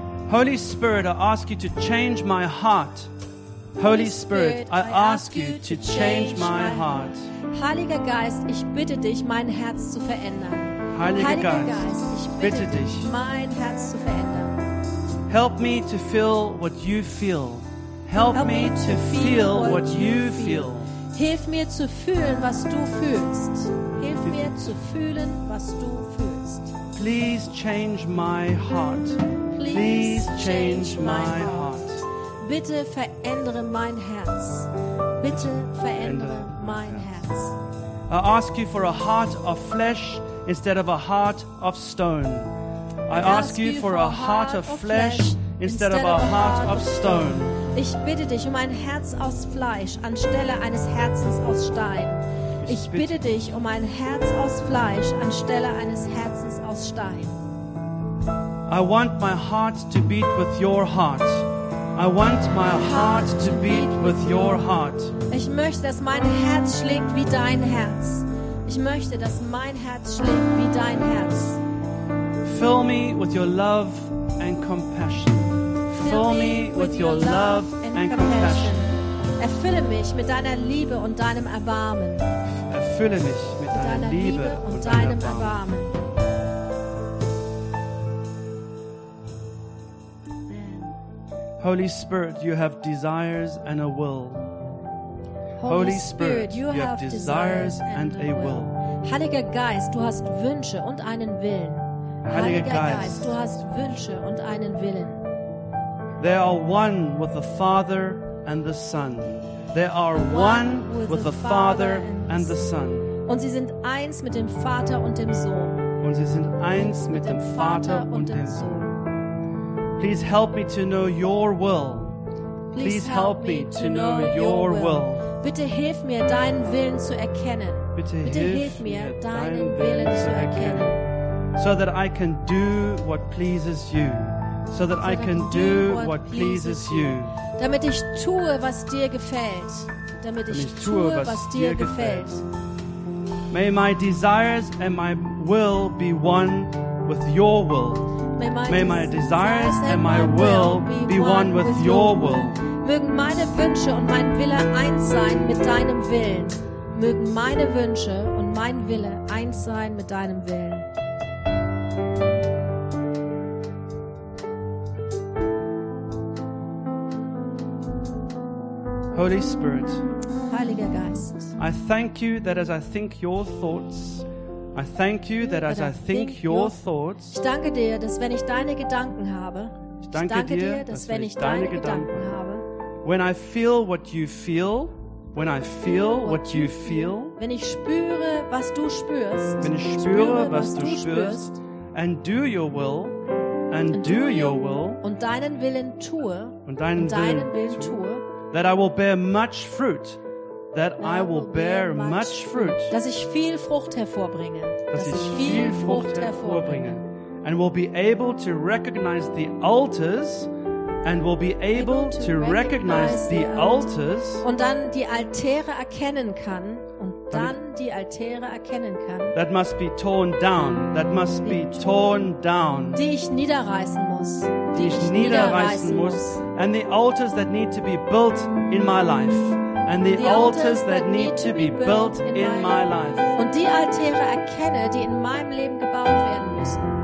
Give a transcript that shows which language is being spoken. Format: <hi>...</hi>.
<en>Holy Spirit, I ask you to change my heart. Holy Spirit, I ask you to change my heart.</en> <de>Heiliger Geist, ich bitte dich, mein Herz zu verändern. Heiliger Geist, ich bitte dich, mein Herz zu verändern.</de> <en>Help me to feel what you feel. Help me to feel what you feel.</en> <de>Hilf mir zu fühlen, was du fühlst. Hilf mir zu fühlen, was du fühlst.</de> <en>Please change my heart. Please change my heart.</en> <de>Bitte verändere mein Herz. Bitte verändere mein Herz.</de> <en>I ask you for a heart of flesh instead of a heart of stone. I ask you for a heart of flesh instead of a heart of stone.</en> <de>Ich bitte dich um ein Herz aus Fleisch anstelle eines Herzens aus Stein. Ich bitte dich um ein Herz aus Fleisch anstelle eines Herzens aus Stein.</de> <en>I want my heart to beat with your heart. I want my heart to beat with your heart.</en> <de>Ich möchte, dass mein Herz schlägt wie dein Herz. Ich möchte, dass mein Herz schlägt wie dein Herz.</de> <en>Fill me with your love and compassion. Fill me with your love and compassion.</en> <de>Erfülle mich mit deiner Liebe und deinem Erbarmen. Erfülle mich mit deiner Liebe und deinem Erbarmen.</de> <en>Holy Spirit, you have desires and a will. Holy Spirit, you have desires and a will.</en> <de>Heiliger Geist, du hast Wünsche und einen Willen. Heiliger Geist, du hast Wünsche und einen Willen.</de> <en>They are one with the Father and the Son. They are one with the Father and the Son.</en> <de>Und sie sind eins mit dem Vater und dem Sohn. Und sie sind eins mit dem Vater und dem Sohn.</de> <en>Please help me to know your will. Please help me to know your will.</en> <de>Bitte hilf mir, deinen Willen zu erkennen. Bitte hilf mir, deinen Willen zu erkennen.</de> <en>So that I can do what pleases you. So that I can do what pleases you.</en> <de>Damit ich tue, was dir gefällt. Damit ich tue, was dir gefällt.</de> <en>May my desires and my will be one with your will. May my desires and my will be one with your will.</en> <de>Mögen meine Wünsche und mein Wille eins sein mit deinem Willen. Mögen meine Wünsche und mein Wille eins sein mit deinem Willen.</de> <en>Holy Spirit.</en> <de>Heiliger Geist.</de> <en>I thank you that as I think your thoughts, I thank you that as I think your thoughts.</en> <de>Ich danke dir, dass wenn ich deine Gedanken habe. Ich danke dir, dass wenn ich deine Gedanken habe.</de> <en>When I feel what you feel, when I feel what you feel.</en> <de>Wenn ich spüre, was du spürst. Wenn ich spüre, was du spürst.</de> <en>And do your will, and do your will.</en> <de>Und deinen Willen tue. Und deinen Willen tue.</de> <en>That I will bear much fruit. That I will bear much fruit.</en> <de>Dass ich viel Frucht hervorbringe. Dass ich viel Frucht hervorbringe.</de> <en>And will be able to recognize the altars. And will be able to recognize the altars.</en> <de>Und dann die Altäre erkennen kann. Und dann die Altäre erkennen kann.</de> <en>That must be torn down. That must be torn down.</en> <de>Die ich niederreißen muss. Die ich niederreißen muss.</de> <en>And the altars that need to be built in my life. And the altars that need to be built in my life.</en> <de>Und die Altäre erkenne, die in meinem Leben gebaut werden müssen.</de>